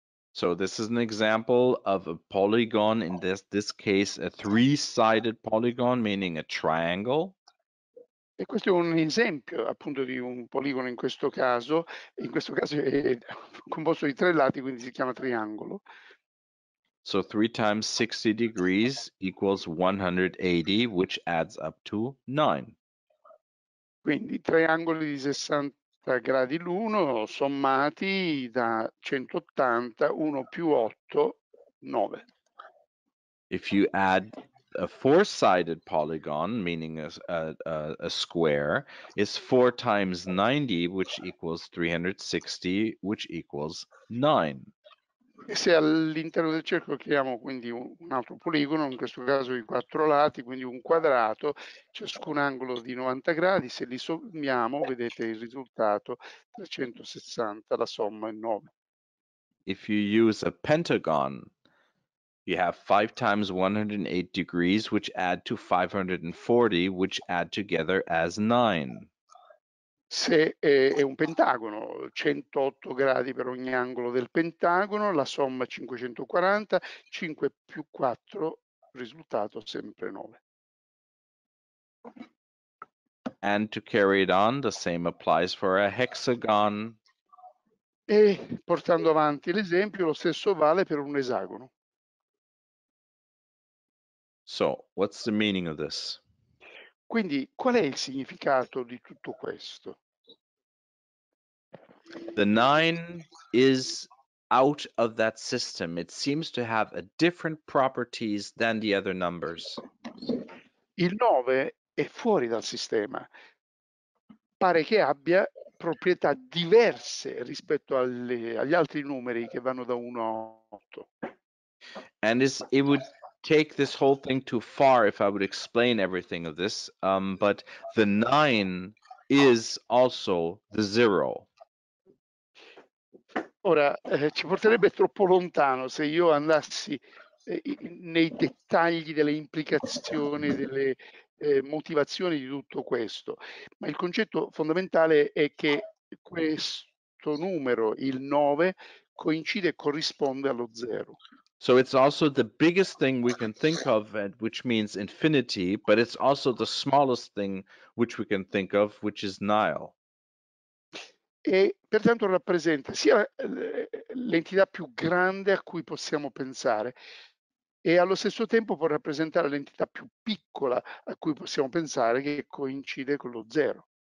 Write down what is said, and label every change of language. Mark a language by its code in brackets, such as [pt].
[en] So this is an example of a polygon, in this case a three-sided polygon, meaning a triangle. [it] E questo è un esempio appunto di un poligono in questo caso è composto di tre lati, quindi si chiama triangolo. [en] So 3 times 60 degrees equals 180, which adds up to 9. [it] Quindi tre angoli di 60 gradi l'uno sommati da 180, 1 più 8, 9. [en] If you add a four-sided polygon, meaning a square, is 4 times 90, which equals 360, which equals 9. [it] E se all'interno del cerchio creiamo quindi un altro poligono, in questo caso i quattro lati, quindi un quadrato, ciascun angolo di 90 gradi, se li sommiamo, vedete il risultato, 360, la somma è 9. [en] If you use a pentagon, you have 5 times 108 degrees, which add to 540, which add together as 9. [it] Se è un pentagono, 108 gradi per ogni angolo del pentagono, la somma 540, 5 più 4, risultato sempre 9. [en] And to carry it on, the same applies for a hexagon. [it] E portando avanti l'esempio, lo stesso vale per un esagono. [en] So, what's the meaning of this? [it] Quindi, qual è il significato di tutto questo? [en] The 9 is out of that system. It seems to have a different properties than the other numbers. [it] Il 9 è fuori dal sistema. Pare che abbia proprietà diverse rispetto agli altri numeri che vanno da 1 a 8. [en] And it would take this whole thing too far if I would explain everything of this, but the 9 is also the 0. [it] Ora, ci porterebbe troppo lontano se io andassi nei dettagli delle implicazioni, delle motivazioni di tutto questo, ma il concetto fondamentale è che questo numero, il 9, coincide e corrisponde allo 0. [en] So it's also the biggest thing we can think of, which means infinity, but it's also the smallest thing which we can think of, which is nile. [it] E pertanto rappresenta sia l'entità più grande a cui possiamo pensare e allo stesso tempo può rappresentare l'entità più piccola a cui possiamo pensare, che coincide con lo zero.